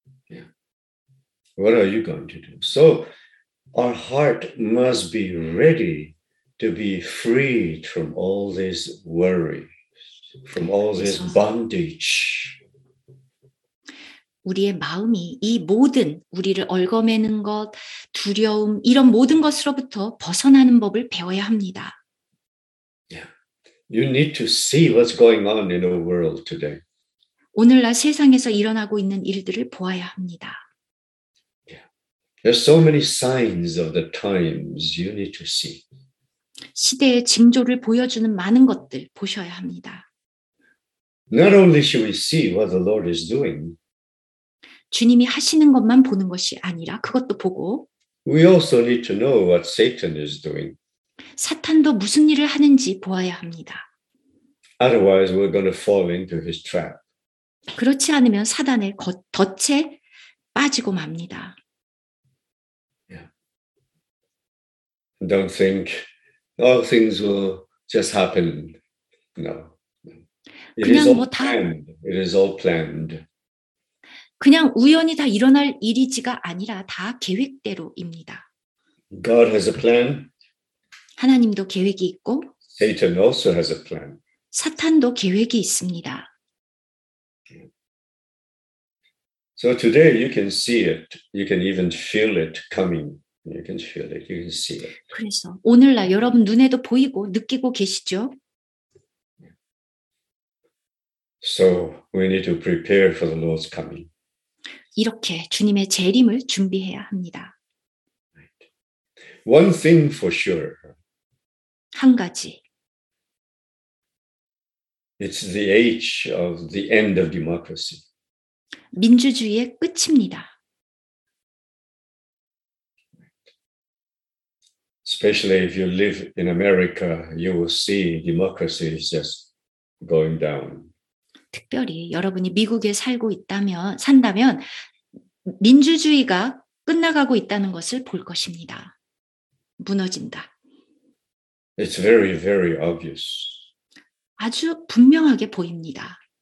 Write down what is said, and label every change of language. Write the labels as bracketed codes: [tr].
[en] Yeah. What are you going to do? So our heart must be ready to be freed from all this worry, from all this bondage. [ko] 우리의 마음이 이 모든 우리를 얽어매는 것, 두려움 이런 모든 것으로부터 벗어나는 법을 배워야 합니다. [en] You need to see what's going on in the world today. [ko] 오늘날 세상에서 일어나고 있는 일들을 보아야 합니다. [en] There's so many signs of the times you need to see. [ko] 시대의 징조를 보여주는 많은 것들 보셔야 합니다. [en] Not only should we see what the Lord is doing. [ko] 주님이 하시는 것만 보는 것이 아니라 그것도 보고 [en] We also need to know what Satan is doing. [ko] 사탄도 무슨 일을 하는지 보아야 합니다. [en] Otherwise, we're going to fall into his trap. [ko] 그렇지 않으면 사단의 덫에 빠지고 맙니다. [en] Yeah. Don't think all things will just happen. No. It is all planned. It is all planned. [ko] 그냥 우연히 다 일어날 일이지가 아니라 다 계획대로입니다. [en] God has a plan. [ko] 하나님도 계획이 있고 [en] Satan also has a plan. [ko] 사탄도 계획이 있습니다. [en] So today you can see it. You can even feel it coming. You can feel it. You can see it. [ko] 그래서 오늘날 여러분 눈에도 보이고 느끼고 계시죠? [en] So we need to prepare for the Lord's coming. [ko] 이렇게 주님의 재림을 준비해야 합니다. [en] One thing for sure. [ko] 한 가지. [en] It's the age of the end of democracy. [ko] 민주주의의 끝입니다. [en] Especially if you live in America, you will see democracy is just going down. [ko] 특별히 여러분이 미국에 살고 있다면 산다면 민주주의가 끝나가고 있다는 것을 볼 것입니다. 무너진다. [en] It's very, very obvious. [ko] 아주 분명하게 보입니다.